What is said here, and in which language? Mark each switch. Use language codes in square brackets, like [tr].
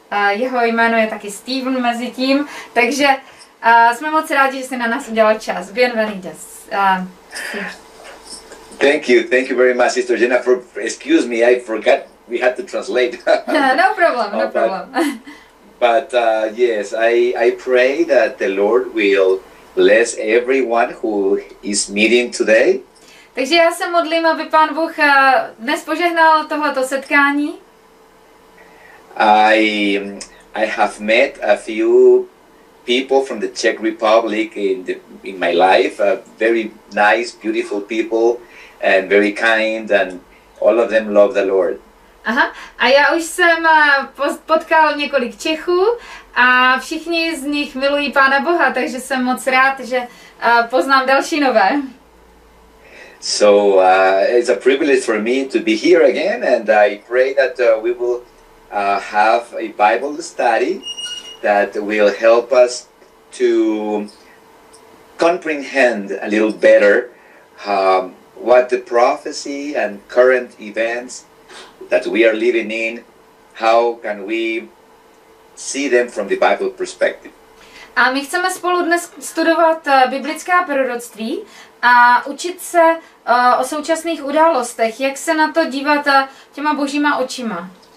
[cs] Jeho jméno je taky Steven mezi tím, takže jsme moc rádi, že jste na nás udělal čas. [es] Bienvenidos. [en] Thank you very much, Sister Jenna. Excuse me, I forgot we had to translate. No problem. But yes, I pray that the Lord will bless everyone who is meeting today. [cs] Takže já se modlím, aby Pán Bůh dnes požehnal tohleto setkání. [en] I have met a few people from the Czech Republic in my life, very nice, beautiful people and very kind, and all of them love the Lord. [cs] Aha, a já už jsem potkal několik Čechů a všichni z nich milují Pána Boha, takže jsem moc rád, že poznám další nové. [en] So it's a privilege for me to be here again, and I pray that we will have a Bible study that will help us to comprehend a little better what the prophecy and current events that we are living in, how can we see them from the Bible perspective. [cs] A my chceme spolu dnes studovat biblická proroctví a učit se o současných událostech, jak se na to dívat těma božíma očima.